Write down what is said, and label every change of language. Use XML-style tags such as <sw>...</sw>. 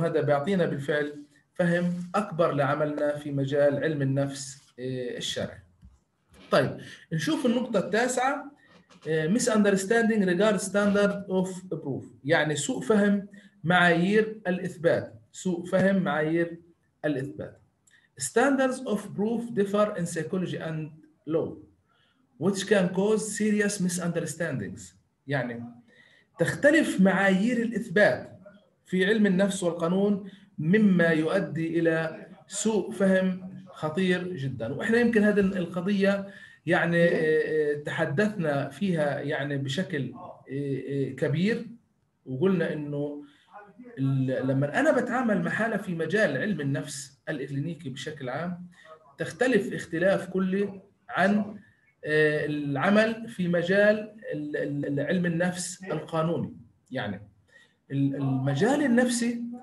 <ar>وهذا بيعطينا بالفعل فهم أكبر لعملنا في مجال علم النفس الشرعي. طيب نشوف النقطة التاسعة،</ar> <en>misunderstanding regarding standard of proof،</en> <ar>يعني سوء فهم معايير الإثبات. سوء فهم معايير الإثبات.</ar> <en>Standards of proof differ in psychology and law which can cause serious misunderstandings.</en> <ar>يعني تختلف معايير الإثبات في علم النفس والقانون مما يؤدي إلى سوء فهم خطير جدا. وإحنا يمكن هذه القضية يعني تحدثنا فيها يعني بشكل كبير، وقلنا انه لما انا بتعامل مع حالة في مجال علم النفس الاكلينيكي بشكل عام تختلف اختلاف كلي عن العمل في مجال علم النفس القانوني. يعني المجال النفسي</ar>